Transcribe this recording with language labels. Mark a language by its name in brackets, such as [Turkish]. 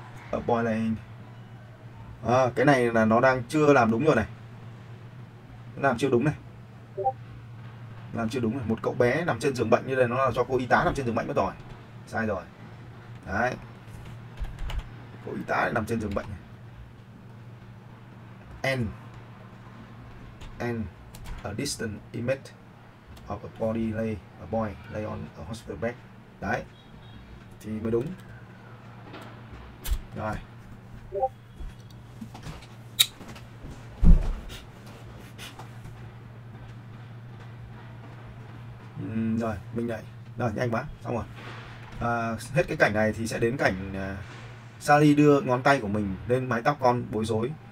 [Vietnamese] Ở boy này, à, cái này là nó đang chưa làm đúng rồi này, làm chưa đúng này. Một cậu bé nằm trên giường bệnh như này, nó là cho cô y tá nằm trên giường bệnh mất rồi, sai rồi. Đấy, cô y tá nằm trên giường bệnh. [English] And a distant image of a body lay, a boy lay on a hospital bed. [Vietnamese] Đấy, thì mới đúng. Rồi, rồi mình lại, rồi nhanh quá, xong rồi. À, hết cái cảnh này thì sẽ đến cảnh Sally đưa ngón tay của mình lên mái tóc con bối rối.